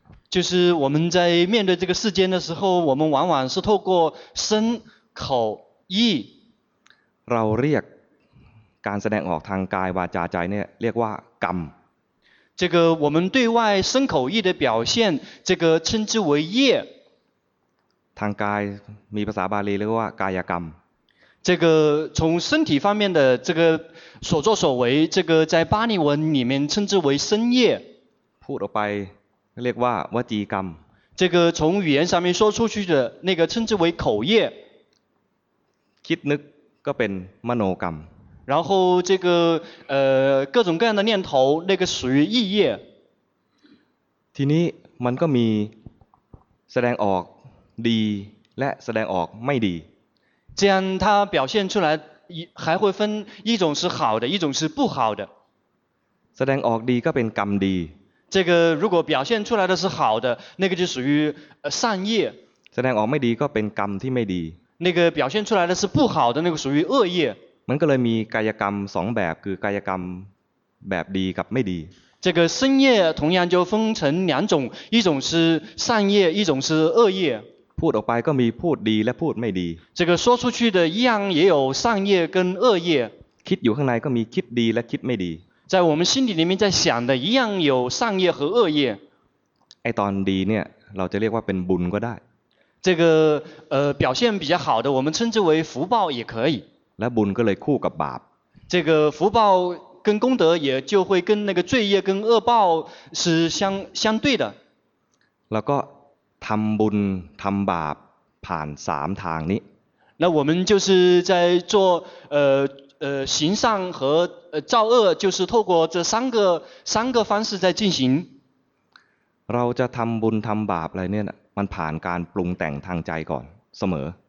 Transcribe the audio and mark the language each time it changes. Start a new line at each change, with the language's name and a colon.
Chinese: 就是我们在面对这个世间的时候我们往往是透过身口意
Thai: เราเรียกการแสดงออกทางกายวาจาใจเนี่ยเรียกว่ากรรม
Chinese: 这个我们对外身口意的表现这个称之为业
Thai: ทางกายมีภาษาบาลีเรียกว่ากายกรรม
Chinese: 这个从身体方面的这个所作所为这个在巴利文里面称之为身业
Thai: พูดออกไปเรียกว่าวจีกรรม
Chinese: 这个从语言上面说出去的那个称之为口业。
Thai: คิดนึกก็เป็นมโนกรรม。
Chinese: 然后这个各种各样的念头，那个属于意业。
Thai: ทีนี้มันก็มีแสดงออกดีและแสดงออกไม่ดี。
Chinese: 这样它表现出来还会分一种是好的，一种是不好的。
Thai: แสดงออกดีก็เป็นกรรมดี。
Chinese: 这个如果表现出来的是好的，那个就属于善业。
Thai: แสดงออกไม่ดีก็เป็นกรรมที่ไม่ดี。
Chinese: 那个表现出来的是不好的，那个属于恶业。
Thai: มันก็เลยมีกายกรรมสองแบบคือกายกรรมแบบดีกับไม่ดี
Chinese: 这个身业同样就分成两种一种是善业一种是恶业
Thai: พูดออกไปก็มีพูดดีและพูดไม่ดี
Chinese: 这个说出去的一样也有善业跟恶业
Thai: คิดอยู่ข้างในก็มีคิดดีและคิดไม่ดี
Chinese: 在我们心底里面在想的一样有善业和恶业
Thai: ไอ้ตอนดีเนี่ยเราจะเรียกว่าเป็นบุญก็ได้
Chinese: 这个表现比较好的我们称之为福报也可以
Thai: และบุญก็เลยคู่กับบาป
Chinese: 这个福报跟功德也就会跟那个罪业跟恶报是相对的
Thai: แล้วก็ทำบุญทำบาปผ่านสามทางนี้
Chinese: 那我们就是在做行善和造恶就是透过这三个方式在进行
Thai: เราจะทำบุญทำบาปอะไรเนี่ยมันผ่านการปรุงแต่งทางใจก่อนเสมอ